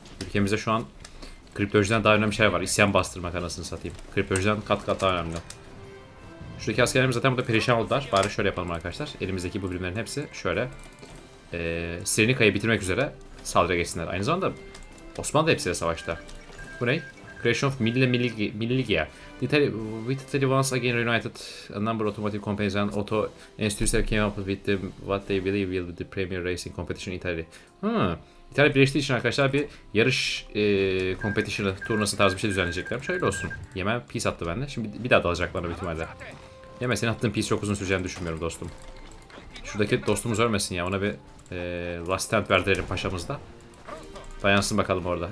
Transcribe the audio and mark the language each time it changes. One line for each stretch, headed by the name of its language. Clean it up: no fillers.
Turkish: Ülkemizde şu an kriptojiden daha önemli şey var. İsyan bastırmak anasını satayım. Kriptojiden kat kat daha önemli. Şuradaki askerlerimiz zaten burada perişan oldular. Bari şöyle yapalım arkadaşlar. Elimizdeki bu birimlerin hepsi şöyle. Sirenika'yı bitirmek üzere saldırıya geçsinler. Aynı zamanda Osmanlı da hepsiyle savaşta. Bu ne? Creation of Milligia.
English: With Italy once again reunited, a number of automotive companies and auto industries have came up with the, what they believe will be the premier racing competition in Italy. Hmm.
Turkish: İtalya birleştiği için arkadaşlar bir yarış competition'ı, turnası tarzı bir şey düzenleyecekler. Şöyle olsun. Yemen peace attı bende. Şimdi bir daha dalacak bana bir ihtimalle. Yemen senin attığın peace çok uzun süreceğini düşünmüyorum dostum. Şuradaki dostumuz ölmesin ya. Ona bir Last Stand verdirelim paşamızda. Dayansın bakalım orada.